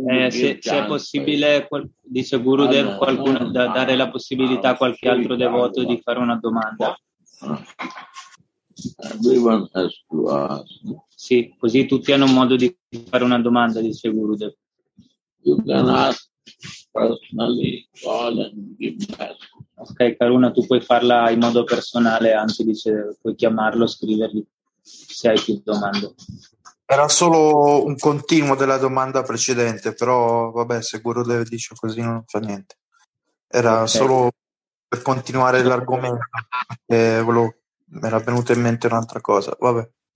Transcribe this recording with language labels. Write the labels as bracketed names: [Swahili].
[Italian] Se è possibile, dice Gurudev, qualcuno da dare la possibilità a qualche altro devoto di fare una domanda. [English] Everyone has to ask. [Italian] Sì, così tutti hanno modo di fare una domanda, dice Gurudev. [English] You can ask personally, call and give back. [Italian] Ok, Karuna, tu puoi farla in modo personale, anzi dice, puoi chiamarlo, scrivergli se hai più domande. Era solo un continuo della domanda precedente, però vabbè, se Gurudev dice così non fa niente. Era okay. Solo per continuare l'argomento, mi era venuta in mente un'altra cosa, vabbè.